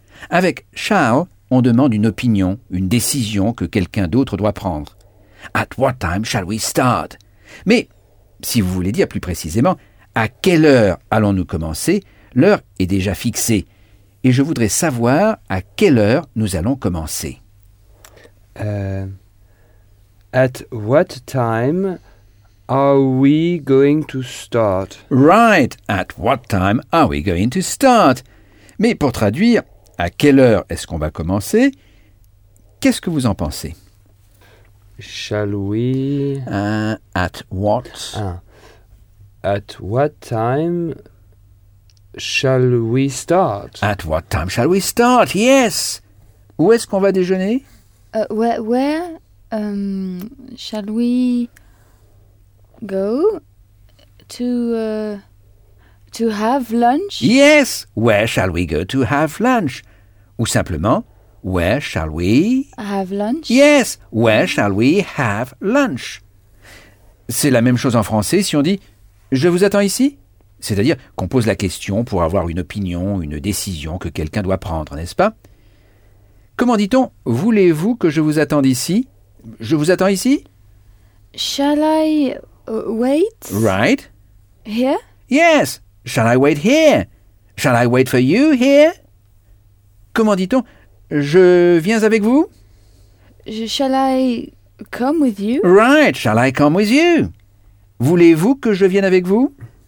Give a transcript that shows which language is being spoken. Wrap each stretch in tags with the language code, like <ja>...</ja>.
<fr>Avec shall, on demande une opinion, une décision que quelqu'un d'autre doit prendre.</fr> <en>At what time shall we start?</en> <fr>Mais, si vous voulez dire plus précisément, à quelle heure allons-nous commencer? L'heure est déjà fixée. Et je voudrais savoir à quelle heure nous allons commencer.</fr> <en>At what time are we going to start? Right. At what time are we going to start?</en> <fr>Mais pour traduire, à quelle heure est-ce qu'on va commencer? Qu'est-ce que vous en pensez?</fr> <en>Shall we... At what? At what time shall we start? At what time shall we start? Yes.</en> <fr>Où est-ce qu'on va déjeuner?</fr> <en>Where shall we go to have lunch? Yes. Where shall we go to have lunch?</en> <fr>Ou simplement,</fr> <en>where shall we have lunch? Yes. Where shall we have lunch?</en> <fr>C'est la même chose en français si on dit je vous attends ici. C'est-à-dire qu'on pose la question pour avoir une opinion, une décision que quelqu'un doit prendre, n'est-ce pas? Comment dit-on « voulez-vous que je vous attende ici ?»« Je vous attends ici ?»«</fr> <en>Shall I wait ?»« Right. »« Here ?»« Yes. Shall I wait here ?»« Shall I wait for you here ?»</en> <fr>Comment dit-on « je viens avec vous ?»«</fr> <en>Shall I come with you ?»« Right. Shall I come with you ?»«</en> <fr>Voulez-vous que je vienne avec vous ?»</fr>